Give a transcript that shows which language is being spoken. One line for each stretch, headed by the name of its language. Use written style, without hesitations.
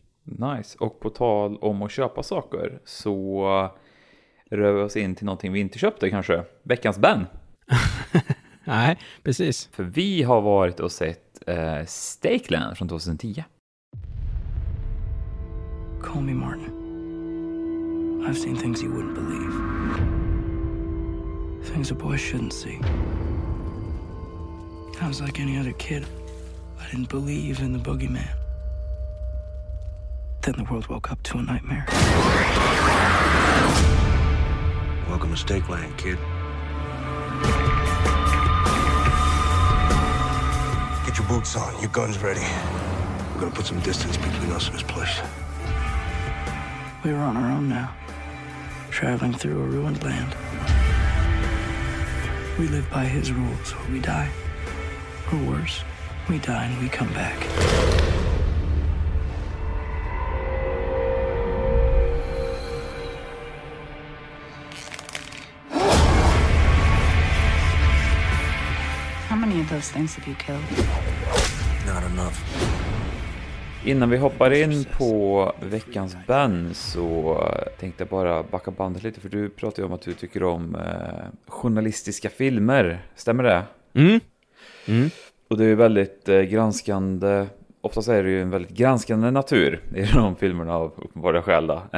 Swedish: Nice, och på tal om att köpa saker så rör vi oss in till någonting vi inte köpte kanske. Veckans Ben. Nej, precis. För vi har varit och sett Stakeland från 2010.
English: Call me Martin. I've seen things you wouldn't believe. Things a boy shouldn't see. I was like any other kid. I didn't believe in the boogeyman. Then the world woke up to a nightmare. Welcome to Stakeland, kid. Get your boots on, your guns ready. We're gonna put some distance between us and this place. We were on our own now, traveling through a ruined land. We live by his rules, or we die. Or worse, we die and we come back. How many of those things have you killed? not enough.
Swedish: Innan vi hoppar in på veckans band så tänkte jag bara backa bandet lite, för du pratade ju om att du tycker om journalistiska filmer, stämmer det? Mm. Mm. Och det är ju väldigt granskande, ofta är det ju en väldigt granskande natur i de filmerna av uppenbara skäl.